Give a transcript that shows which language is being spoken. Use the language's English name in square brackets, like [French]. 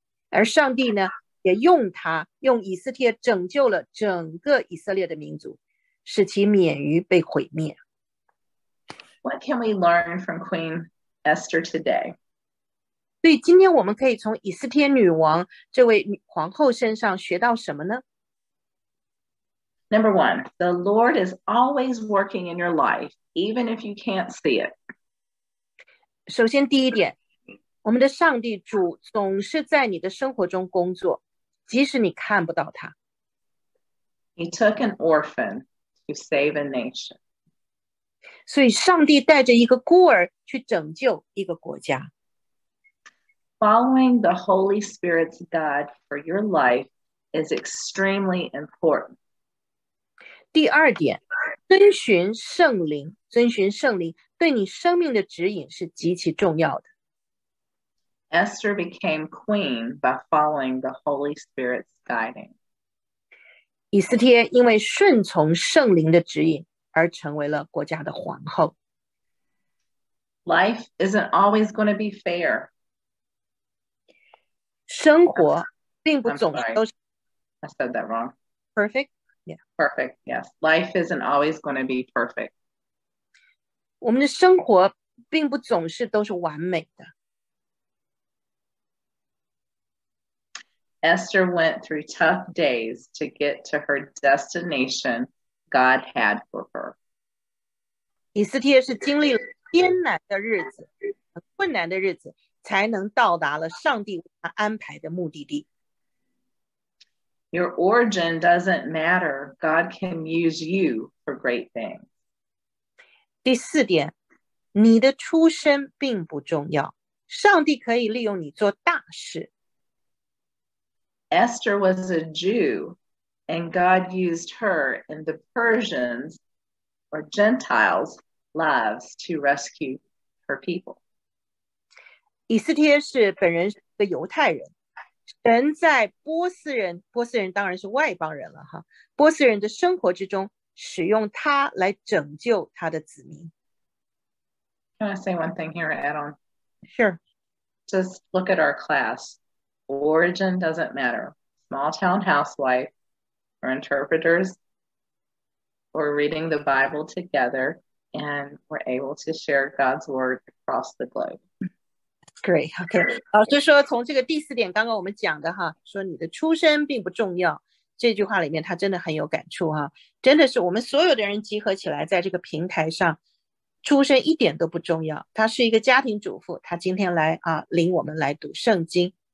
[Chinese] 而上帝呢，也用他，用以色列拯救了整个以色列的民族，使其免于被毁灭。 [English] What can we learn from Queen Esther today? [Chinese] 所以今天我们可以从以色列女王这位皇后身上学到什么呢？ [English] Number one, the Lord is always working in your life, even if you can't see it. [Chinese] 首先第一点，我们的上帝主总是在你的生活中工作。即使你看不到他。 [English] He took an orphan to save a nation. [Chinese] 所以上帝带着一个孤儿去拯救一个国家。 [English] Following the Holy Spirit's guide for your life is extremely important. [Chinese] 第二点，遵循圣灵，遵循圣灵对你生命的指引是极其重要的。 [English] Esther became queen by following the Holy Spirit's guiding. [Chinese] 以斯帖因为顺从圣灵的指引而成为了国家的皇后。 [English] Life isn't always going to be fair. [Chinese] 生活并不总是。 [English] I said that wrong. Perfect? Yeah. Perfect, yes. Life isn't always going to be perfect. [Chinese] 我们的生活并不总是都是完美的。 [English] Esther went through tough days to get to her destination God had for her. [Chinese] 以斯帖是经历了艰难的日子，困难的日子，才能到达了上帝为他安排的目的地。 [English] Your origin doesn't matter. God can use you for great things. [Chinese] 第四点，你的出身并不重要，上帝可以利用你做大事。 [English] Esther was a Jew, and God used her in the Persians or Gentiles' lives to rescue her people. [Chinese] 以斯帖是本人是个犹太人，神在波斯人，波斯人当然是外邦人了哈，波斯人的生活之中，使用他来拯救他的子民。 [English] Can I say one thing here, add on? Sure. Just look at our class. Origin doesn't matter. Small town housewife, or interpreters, or reading the Bible together, and we're able to share God's word across the globe. Great. Okay. [Chinese] 老师说，从这个第四点，刚刚我们讲的哈，说你的出身并不重要，这句话里面他真的很有感触哈，真的是我们所有的人集合起来，在这个平台上，出身一点都不重要。他是一个家庭主妇，他今天来啊，领我们来读圣经。